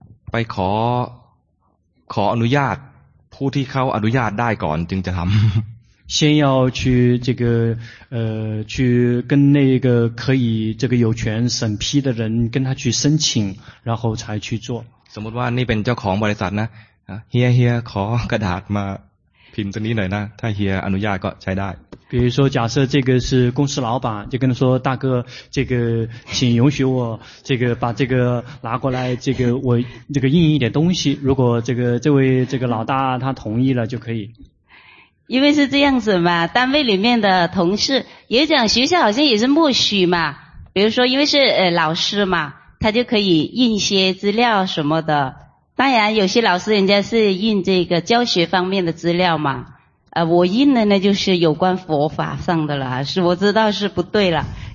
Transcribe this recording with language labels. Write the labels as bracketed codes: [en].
[th] ไปขออนุญาตผู้ที่เขาอนุญาตได้ก่อนจึงจะทำ [zh] 先要去这个去跟那个可以这个有权审批的人跟他去申请然后才去做 [th] สมมติว่านี่เป็นเจ้าของบริษัทนะเฮียขอกระดาษมาพิมพ์ตรงนี้หน่อยนะถ้าเฮียอนุญาตก็ใช้ได้ [zh] 比如说假设这个是公司老板就跟他说大哥这个请允许我这个把这个拿过来这个我这个印一点东西如果这个这位这个老大他同意了就可以因为是这样子嘛单位里面的同事也讲学校好像也是默许嘛比如说因为是老师嘛他就可以印一些资料什么的当然有些老师人家是印这个教学方面的资料嘛我印的呢就是有关佛法上的了是我知道是不对了